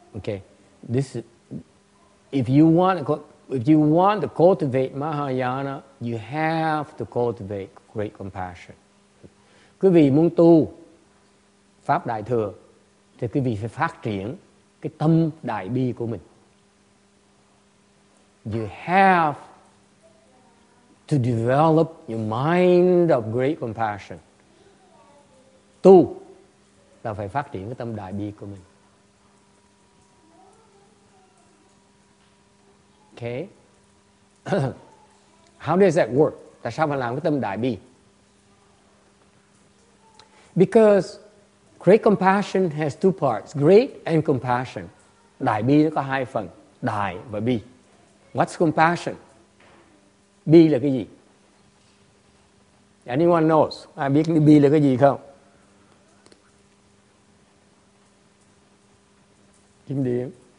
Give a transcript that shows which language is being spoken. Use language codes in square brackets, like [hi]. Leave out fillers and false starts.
[en] Okay, this is, if you want to cultivate Mahayana, you have to cultivate great compassion. [vi] Quý vị muốn tu pháp đại thừa thì quý vị phải phát triển cái tâm đại bi của mình. [en] You have to develop your mind of great compassion. [vi] Tu là phải phát triển cái tâm đại bi của mình. [en] Okay. How does that work? [vi] Tại sao phải làm cái tâm đại bi? Because great compassion has two parts, great and compassion. Đại bi nó có hai phần, đại và bi. [en] What's compassion? [vi] Bi là cái gì? [en] Anyone knows? [vi] Ai biết bi là cái gì không? Kim điểm.